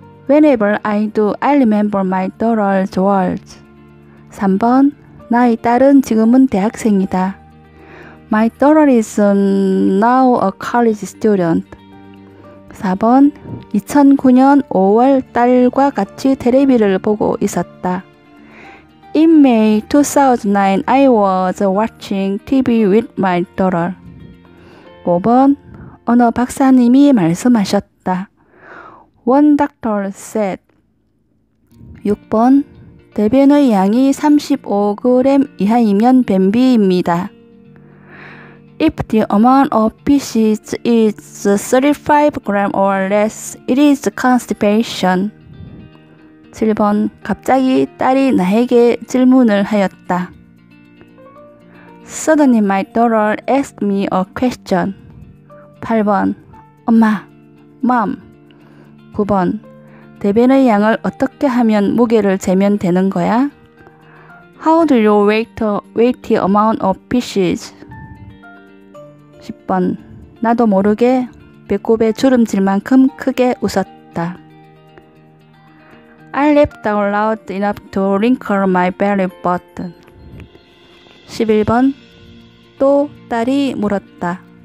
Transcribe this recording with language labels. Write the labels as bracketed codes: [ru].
[en] Whenever I do, I remember my daughter's words. [ko] 3번 나의 딸은 지금은 대학생이다. [en] My daughter is now a college student. [ko] 4번 2009년 5월 딸과 같이 테레비를 보고 있었다. [en] In May 2009, I was watching TV with my daughter. [ko] 5번 어느 박사님이 말씀하셨다. [en] One doctor said. [ko] 6번 대변의 양이 35g 이하이면 변비입니다. [en] If the amount of feces is 35g or less, it is constipation. [ko] 7번 갑자기 딸이 나에게 질문을 하였다. [en] Suddenly my daughter asked me a question. [ko] 8번 엄마, [en] mom. [ko] 9번 대변의 양을 어떻게 하면 무게를 재면 되는 거야? [en] How do you weigh the amount of feces? [ko] 10번 나도 모르게 배꼽에 주름질 만큼 크게 웃었다. [en] I laughed out loud enough to wrinkle my belly button. [ko] 11번 또 딸이 물었다.